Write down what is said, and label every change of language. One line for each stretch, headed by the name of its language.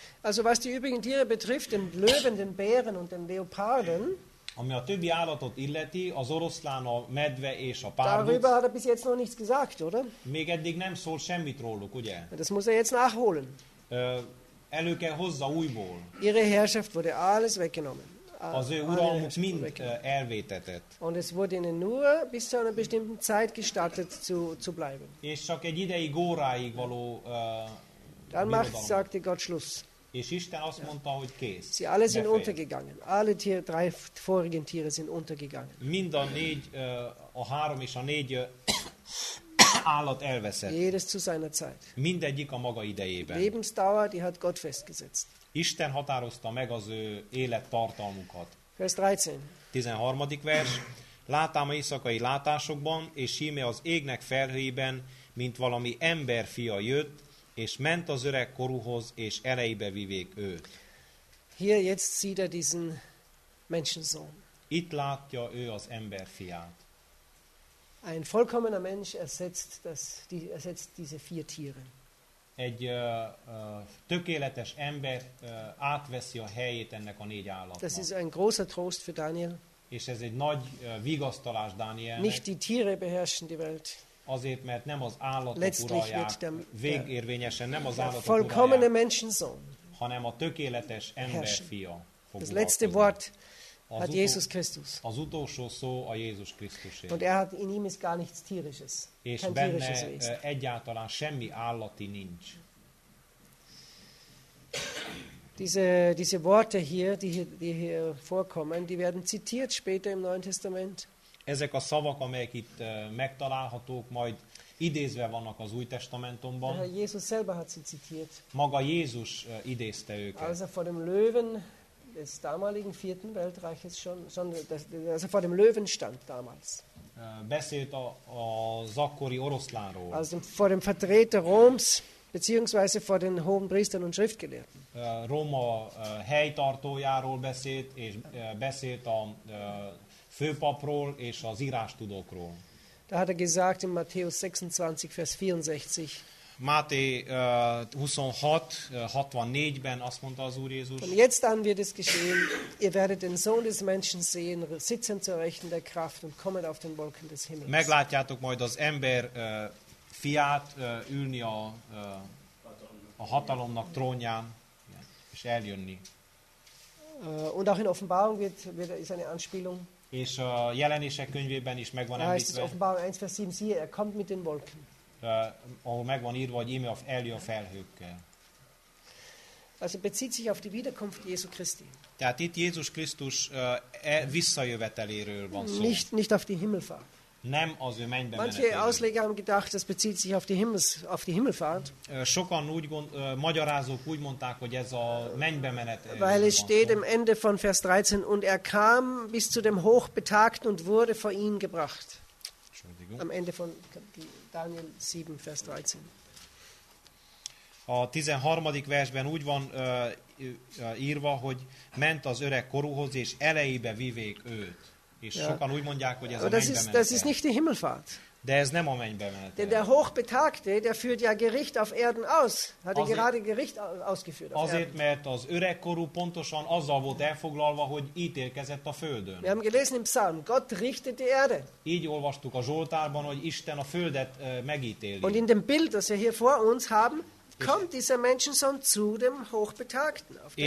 German: Also was die übrigen Tiere betrifft, den Löwen, den Bären und den Leoparden,
Hungarian: ami a többi állatot illeti, az oroszlán, a medve és a párduc.
German: Darüber hat er bis jetzt noch nichts gesagt, oder?
Hungarian: Még eddig nem szól semmit róluk, ugye?
German: Das muss er jetzt nachholen.
Hungarian: Elő kell hozza újból.
German: Ihre Herrschaft wurde alles weggenommen.
Hungarian: Az ő uralmuk mind elvétetett.
German: Und es wurde ihnen nur bis zu einer bestimmten Zeit gestattet zu bleiben.
Hungarian: És csak egy ideig, óráig való
German: dann macht, sagte Gott, Schluss.
Hungarian: És Isten azt mondta, hogy kész.
German: Sie alle sind untergegangen. Alle Tiere, drei vorigen Tiere sind untergegangen.
Hungarian: Mind a négy, a három és a négy állat elveszett.
German: Jedes zu seiner Zeit.
Hungarian: Mindegyik a maga idejében.
German: Lebensdauer, die hat Gott festgesetzt.
Hungarian: Isten határozta meg az ő élettartalmukat.
German: Vers 13.
Hungarian: 13. vers. Látám a éjszakai látásokban, és íme az égnek felhőjében, mint valami ember fia jött, és ment az öreg korúhoz, és ereibe vivék őt.
German: Hier jetzt sieht er diesen Menschensohn.
Hungarian: Itt látja ő az ember fiát.
German: Ein vollkommener Mensch ersetzt diese vier Tiere.
Hungarian: Egy tökéletes ember átveszi a helyét ennek a négy állatnak.
German: Das ist ein großer Trost für Daniel.
Hungarian: És ez egy nagy vigasztalás Dánielnek.
German: Nicht die Tiere beherrschen die Welt.
Hungarian: Azért, mert nem az állatok uralják, végérvényesen nem az állatok
German: vollkommene Menschensohn,
Hungarian: hanem a tökéletes ember fia
German: fog das letzte Wort az hat Jesus Christus.
Hungarian: Az utolsó szó a Jézus Krisztusé.
German: Und er hat in ihm ist gar nichts tierisches.
Hungarian: És benne egyáltalán semmi állati nincs.
German: Diese Worte hier, die hier vorkommen, die werden zitiert später im Neuen Testament.
Hungarian: Ezek a szavak, amelyek itt megtalálhatók, majd idézve vannak az Új Testamentumban.
German: Jézus selber hat sie zitiert.
Hungarian: Maga Jézus idézte őket.
German: Also vor dem Löwen des damaligen vierten Weltreiches schon also vor dem Löwen stand damals.
Hungarian: Beszélt az akkori oroszlánról.
German: Also vor dem Vertreter Roms beziehungsweise vor den hohen Priestern und Schriftgelehrten.
Hungarian: Róma helytartójáról beszélt, és beszélt a főpapról és az írástudókról.
German: Da hat er gesagt in Matthäus 26, Vers 64.
Hungarian: Máté 26:64-ben azt mondta az Úr Jézus.
German: Und jetzt an wird es geschehen, ihr werdet den Sohn des Menschen sehen, sitzen zur Rechten der Kraft und kommen auf den Wolken des Himmels.
Hungarian: Meglátjátok majd az ember fiát ülni a hatalomnak trónján, és eljönni.
German: Und auch in Offenbarung wird ist eine Anspielung.
Hungarian: És a jelenések könyvében is megvan említve.
German: Offenbarung 1, Vers 7, siehe, er kommt mit den Wolken.
Hungarian: Ahol megvan írva, hogy íme eljön a felhőkkel.
German: Also bezieht sich auf die Wiederkunft Jesu Christi.
Hungarian: Tehát itt Jézus Krisztus visszajöveteléről van szó.
German: Nicht auf die Himmelfahrt.
Hungarian: Nem az ő mennybe menetéről.
German: Manche Ausleger haben gedacht, das bezieht sich auf die Himmelfahrt.
Hungarian: Sokan úgy magyarázók úgy mondták, hogy ez a mennybe menetéről.
German: Weil es steht im Ende von Vers 13 und er kam bis zu dem Hochbetagten und wurde vor ihn gebracht. Am Ende von Daniel 7, Vers 13.
Hungarian: A 13. versben úgy van írva, hogy ment az öreg korúhoz, és elejébe vivék őt. És sokan úgy mondják, hogy ez a mennybe menetel.
German: Das ist nicht die Himmelfahrt.
Hungarian: De ez nem a mennybe menetel.
German: Denn der Hochbetagte, der führt ja Gericht auf Erden aus. Hat azért, gerade Gericht ausgeführt auf azért, Erden.
Hungarian: Mert az öreg korú pontosan azzal volt elfoglalva, hogy ítélkezett a Földön.
German: Wir haben gelesen im Psalm, Gott richtet die Erde.
Hungarian: Így olvastuk a Zsoltárban, hogy Isten a Földet megítéli.
German: Und in dem Bild, das wir hier vor uns haben, kommt dieser Menschensohn zu dem Hochbetagten auf der